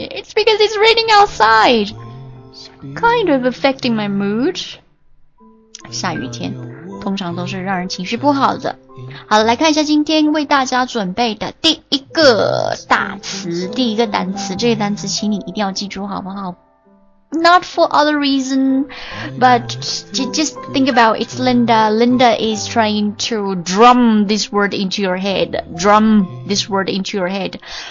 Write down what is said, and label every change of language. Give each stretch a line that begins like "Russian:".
English: It's because it's raining outside, kind of affecting my mood.
Chinese: 下雨天通常都是让人情绪不好的。好了，来看一下今天为大家准备的第一个大词，第一个单词，这个单词请你一定要记住好不好？
English: not for other reason, but just think about it's Linda. Linda is trying to drum this word into your head. Drum this word into your head.